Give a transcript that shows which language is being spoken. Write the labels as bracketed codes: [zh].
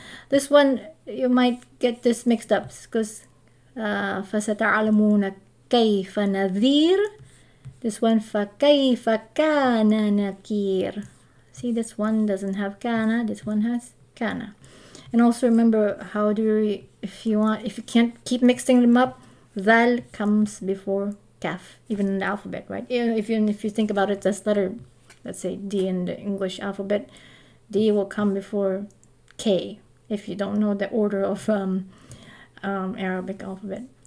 [en] This one, you might get this mixed up, because [ar] فَسَتَعْلَمُونَ كَيْفَ نَذِيرٌ. [en] This one, [ar] فَكَيْفَ كَانَ نَكِيرٌ. [en] See, this one doesn't have كَانَ, this one has كَانَ. And also remember, how do you, if you can't keep mixing them up, Zal comes before Kaf, even in the alphabet, right? If you think about it, this letter, let's say D in the English alphabet, D will come before K, if you don't know the order of Arabic alphabet.